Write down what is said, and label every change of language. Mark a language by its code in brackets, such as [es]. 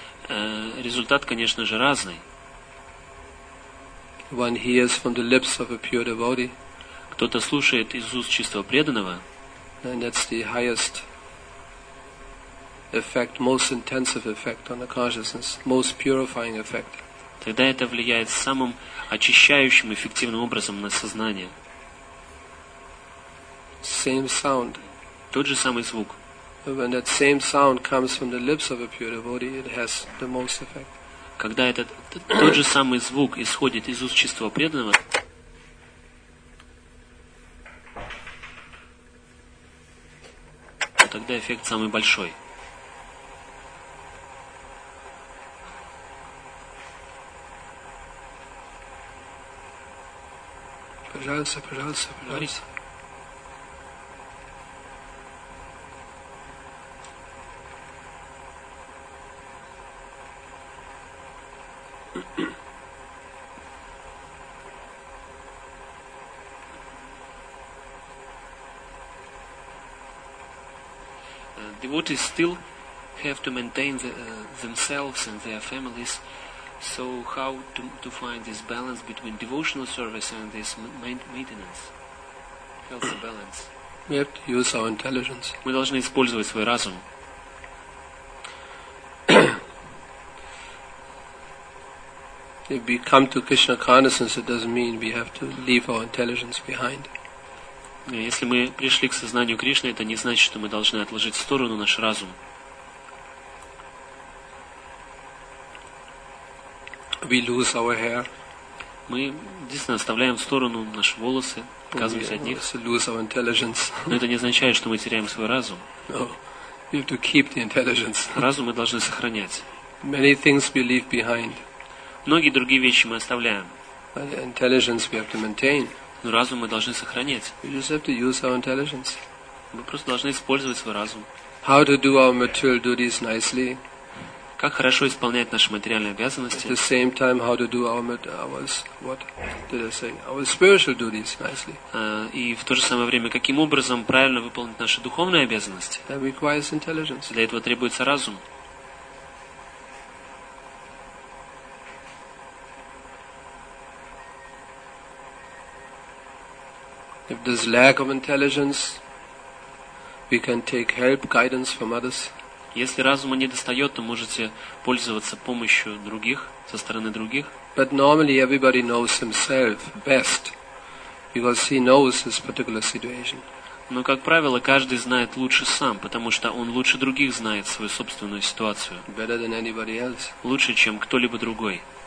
[ru] Результат, конечно же, разный. [en] One hears from the lips of a pure devotee. [ru] Кто-то слушает из уст чистого преданного. [en] And that's the highest effect, most intensive effect on the consciousness, most purifying effect. [ru] Тогда это влияет самым очищающим, эффективным образом на сознание. [en] Same sound. [ru] Тот же самый звук. [en] When that same sound comes from the lips of a pure devotee, it has the most effect. [ru] Когда этот тот же самый звук исходит из уст чистого преданного, тогда эффект самый большой. Пожалуйста, пожалуйста, пожалуйста. [en] Devotees still have to maintain themselves and their families. So how to find this balance between devotional service and this maintenance? Healthy balance. We have to use our intelligence. [ru] Мы должны использовать свой разум. [en] If we come to Krishna consciousness, it doesn't mean we have to leave our intelligence behind. [ru] Если мы пришли к сознанию Кришны, это не значит, что мы должны отложить в сторону наш разум. [en] We lose our hair. [ru] Мы действительно оставляем в сторону наши волосы, отказываемся от них. [en] Lose our intelligence. [ru] Но это не означает, что мы теряем свой разум. [en] No. We have to keep the intelligence. [ru] Разум мы должны сохранять. [en] Many things we leave behind. [ru] Многие другие вещи мы оставляем. [en] But intelligence we have to maintain. [ru] Но разум мы должны сохранять. [en] We just have to use our intelligence. [ru] Мы просто должны использовать свой разум. [en] How to do our material duties nicely. [ru] Как хорошо исполнять наши материальные обязанности. [en] At the same time, how to do our spiritual duties nicely. [ru] И в то же самое время, каким образом правильно выполнить наши духовные обязанности. [en] That requires intelligence. [ru] Для этого требуется разум. [en] If there's lack of intelligence, we can take help, guidance from others. [ru] Если разума недостает, то можете пользоваться помощью других, со стороны других. [en] But normally everybody knows himself best, because he knows his particular situation. [ru] Но, как правило, каждый знает лучше сам, потому что он лучше других знает свою собственную ситуацию. [en] Better than anybody else. [ru] Лучше, чем кто-либо другой.